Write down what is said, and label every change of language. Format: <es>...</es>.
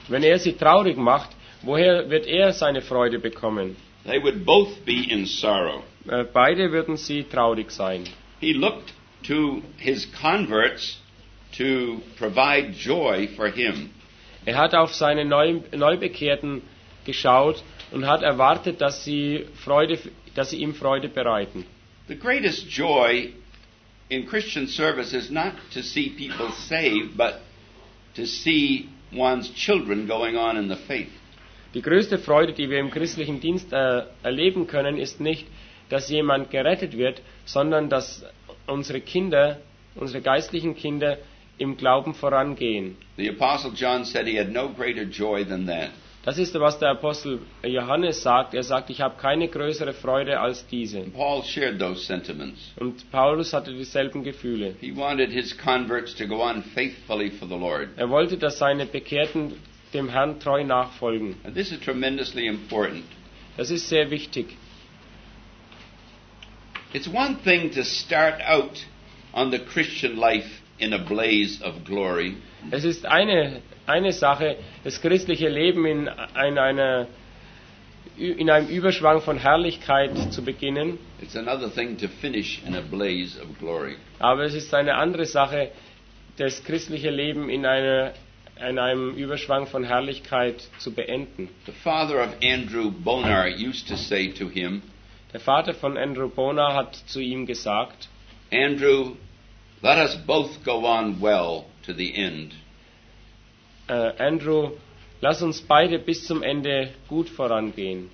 <de>Wenn er sie traurig macht, woher wird er seine Freude bekommen?</de> <en>They would both be in sorrow.</en> <de>Beide würden sie traurig sein.</de> <en>He looked to his converts to provide joy for him.</en> <de>Er hat auf seine Neubekehrten geschaut und hat erwartet, dass sie ihm Freude bereiten.</de> <en>The greatest joy in Christian service is not to see people saved, but to see one's children going on in the faith.</en> <de>Die größte Freude, die wir im christlichen Dienst erleben können, ist nicht, dass jemand gerettet wird, sondern dass unsere Kinder, unsere geistlichen Kinder, im Glauben vorangehen.</de> <en>The Apostle John said he had no greater joy than that.</en> <de>Das ist, was der Apostel Johannes sagt. Er sagt, ich habe keine größere Freude als diese.</de> <en>Paul shared those sentiments.</en> <de>Und Paulus hatte dieselben Gefühle.</de> <en>He wanted his converts to go on faithfully for the Lord.</en> <de>Er wollte, dass seine Bekehrten dem Herrn treu nachfolgen.</de> <en>And this is tremendously important.</en> <de>Das ist sehr wichtig.</de> <en>It's one thing to start out on the Christian life in a blaze of glory.</en> <de>Es ist eine Sache, das christliche Leben in einem Überschwang von Herrlichkeit zu beginnen.</de> <en>It's another thing to finish in a blaze of glory.</en> <de>Aber es ist eine andere Sache, das christliche Leben in einem Überschwang von Herrlichkeit zu beenden.</de> <en>The father of Andrew Bonar used to say to him.</en> <de>Der Vater von Andrew Bonar hat zu ihm gesagt.</de> <en>Andrew, let us both go on well to the end.</en> <de>Andrew, lass uns beide bis zum Ende gut vorangehen.</de>